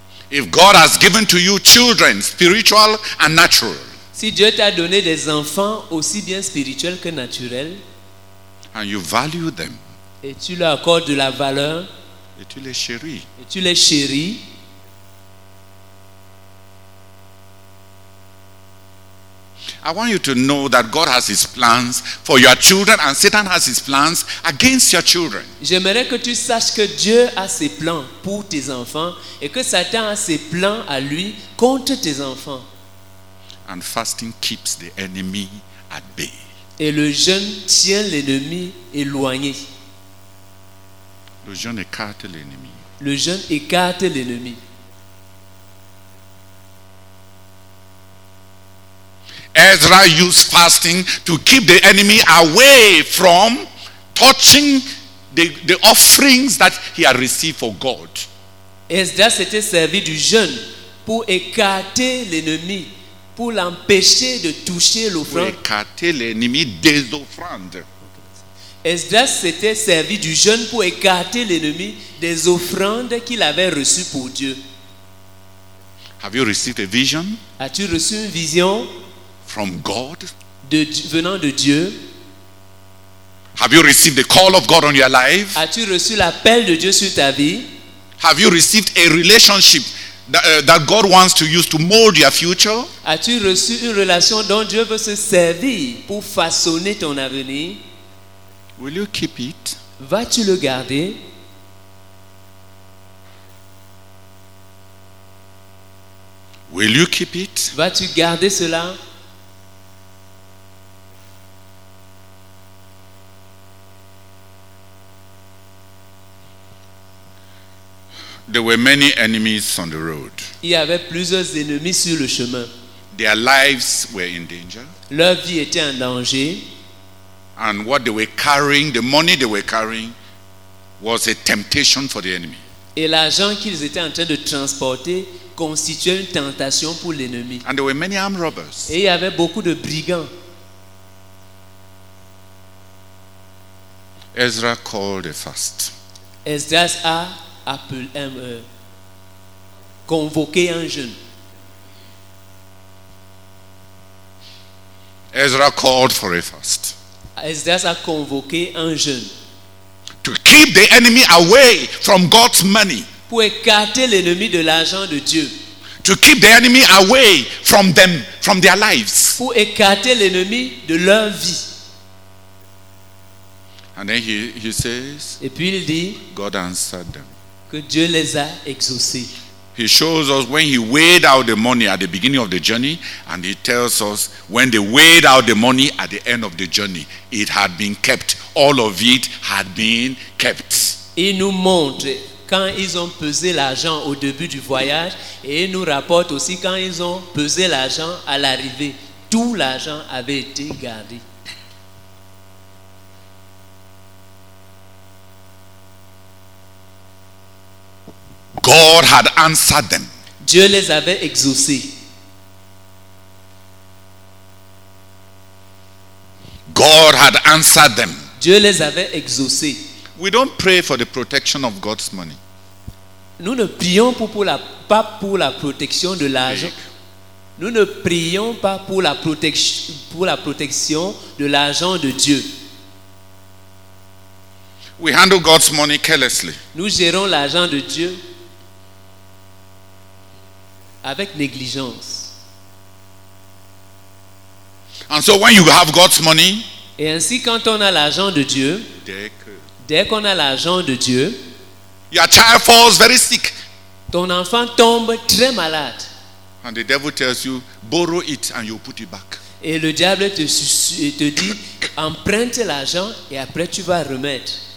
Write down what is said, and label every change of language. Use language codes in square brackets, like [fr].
[en] If God has given to you children, spiritual and natural. [fr] Si Dieu t'a donné des enfants aussi bien spirituels que naturels, [en] and you value them, [fr] et tu leur accordes de la valeur, et tu les chéris, et tu les chéris, [en] I want you to know that God has His plans for your children, and Satan has His plans against your children. [fr] J'aimerais que tu saches que Dieu a ses plans pour tes enfants et que Satan a ses plans à lui contre tes enfants. [en] And fasting keeps the enemy at bay. [fr] Et le jeûne tient l'ennemi éloigné. Le jeûne écarte l'ennemi. Le jeûne écarte l'ennemi. [en] Ezra used fasting to keep the enemy away from touching the offerings that he had received for God. [fr] Ezra s'était servi du jeûne pour écarter l'ennemi. Pour l'empêcher de toucher l'offrande. Pour écarter l'ennemi des offrandes. Esdras s'était servi du jeûne pour écarter l'ennemi des offrandes qu'il avait reçues pour Dieu. [en] Have you received a vision? [fr] As-tu reçu une vision? [en] From God? [fr] Venant de Dieu. [en] Have you received the call of God on your life? [fr] As-tu reçu l'appel de Dieu sur ta vie? [en] Have you received a relationship that God wants to use to mold your future? [fr] As-tu reçu une relation dont Dieu veut se servir pour façonner ton avenir? [en] Will you keep it? [fr] Vas-tu le garder? [en] Will you keep it? [fr] Vas-tu garder cela? [en] There were many enemies on the road. [fr] Il y avait plusieurs ennemis sur le chemin. [en] Their lives were in danger. [fr] Leur vie était en danger. [en] And what they were carrying, the money they were carrying, was a temptation for the enemy. [fr] Et l'argent qu'ils étaient en train de transporter constituait une tentation pour l'ennemi. [en] And there were many armed robbers. [fr] Et il y avait beaucoup de brigands. [en] Ezra called a fast. [fr] Esdras a appelé, convoqué un jeûne. [en] Ezra called for a fast. [fr] Esdras a convoqué un jeûne. [en] To keep the enemy away from God's money. [fr] Pour écarter l'ennemi de l'argent de Dieu. [en] To keep the enemy away from them, from their lives. [fr] Pour écarter l'ennemi de leur vie. [en] And then he says, [fr] et puis il dit, [en] God answered them. [fr] Que Dieu les a exaucés. [en] He shows us when he weighed out the money at the beginning of the journey, and he tells us when they weighed out the money at the end of the journey, it had been kept. All of it had been kept. [fr] Il nous montre quand ils ont pesé l'argent au début du voyage, et il nous rapporte aussi quand ils ont pesé l'argent à l'arrivée. Tout l'argent avait été gardé. [en] God had answered them. [fr] Dieu les avait exaucés. [en] God had answered them. [fr] Dieu les avait exaucés. [en] We don't pray for the protection of God's money. [fr] Nous ne prions pas pour la protection de l'argent. Nous ne prions pas pour la protection de l'argent de Dieu. [en] We handle God's money carelessly. [fr] Nous gérons l'argent de Dieu avec négligence. [en] And so when you have God's money, [fr] et ainsi quand on a l'argent de Dieu, dès qu'on a l'argent de Dieu, [en] your child falls very sick. [fr] Ton enfant tombe très malade. [en] And the devil tells you, borrow it and you put it back. [fr] Et le diable te dit, emprunte l'argent et après tu vas remettre.